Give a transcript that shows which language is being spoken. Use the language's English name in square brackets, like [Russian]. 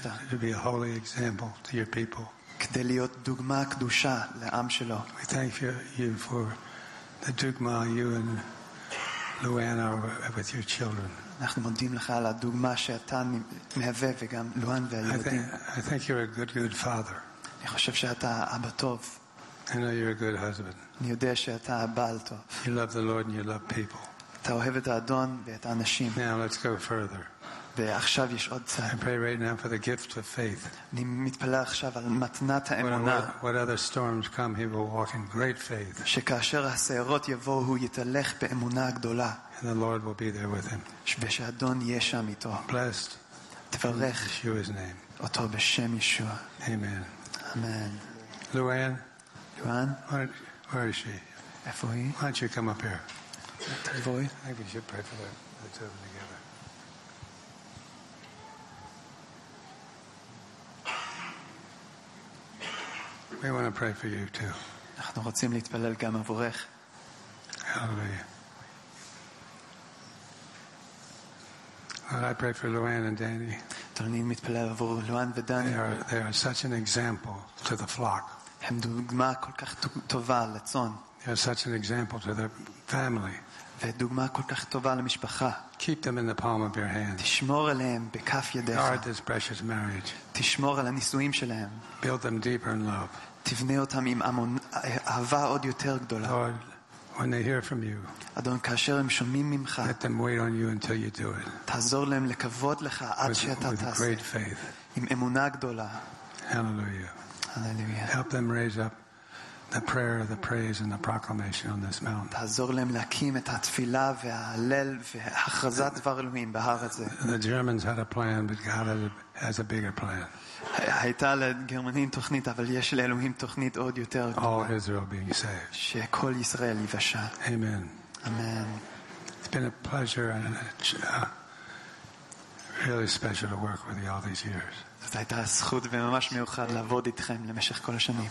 [English] To be a holy example to your people. [Hebrew] כדי להיות דוגמה קדושה לעם שלו. [English] We thank you for the dugma you and Luana are with your children. [Hebrew] אנחנו מודים לך על הדוגמה שאתה מהווה וגם לואן והילדים. [English] I think you're a good father. [Hebrew] אני חושב שאתה אבא טוב. [English] I know you're a good husband. [Hebrew] אני יודע שאתה בעל טוב. [English] You love the Lord and you love people. [Hebrew] אתה אוהב את האדון ואת האנשים. [English] Now let's go further. [Hebrew] ועכשיו יש עוד צד. [English] I pray right now for the gift of faith. [Hebrew] אני מתפלל עכשיו על מתנת האמונה. [English] What other storms come, he will walk in great faith. [Hebrew] שכאשר הסערות יבואו, הוא יתהלך באמונה גדולה. [English] And the Lord will be there with him. [Hebrew] ושאדון יהיה שם איתו. [English] Blessed. [Hebrew] תברך. [English] Yeshua's name. [Hebrew] אותו בשם ישוע. Amen. Amen. Luan. Luan. [English] Where is she? [Hebrew] איפה היא? [English] Why don't you come up here? [Hebrew] תבואי. [English] Maybe you should pray for the two of them together. We want to pray for you too. [Hebrew] אנחנו רוצים להתפלל גם עבורך. [English] Hallelujah. I pray for Luann and Danny. [Hebrew] אני מתפלל עבור לואן ודני. [English] They are such an example to the flock. [Hebrew] הם דוגמה כל כך טובה לצון. [English] They are such an example to their family. [Hebrew] ודוגמה כל כך טובה למשפחה. [English] Keep them in the palm of your hand. [Hebrew] תשמור עליהם בכף ידך. [English] Guard this precious marriage. [Hebrew] תשמור על הנישואים שלהם. [English] Build them deeper in love. [Hebrew] תבנה אותם עם אהבה עוד יותר גדולה. [English] Lord, when they hear from you. [Hebrew] אדון, כאשר הם שומעים ממך. [English] Let them wait on you until you do it. [Hebrew] תעזור להם לקוות לך עד שאתה תעשה. [English] With great faith. [Hebrew] עם אמונה גדולה. Hallelujah. Hallelujah. [English] Help them raise up the prayer, the praise, and the proclamation on this mountain. [Hebrew] תעזור להם להקים את התפילה וההלל והכרזת דבר אלוהים בהר הזה. [English] The Germans had a plan, but God has a bigger plan. [Hebrew] הייתה לגרמנים תוכנית, אבל יש לאלוהים תוכנית עוד יותר גדולה. [English] All Israel being saved. [Hebrew] שכל ישראל יבשה. Amen. Amen. [English] It's been a pleasure and really special to work with you all these years. [Hebrew] זאת הייתה זכות וממש מיוחד לעבוד איתכם למשך כל השנים.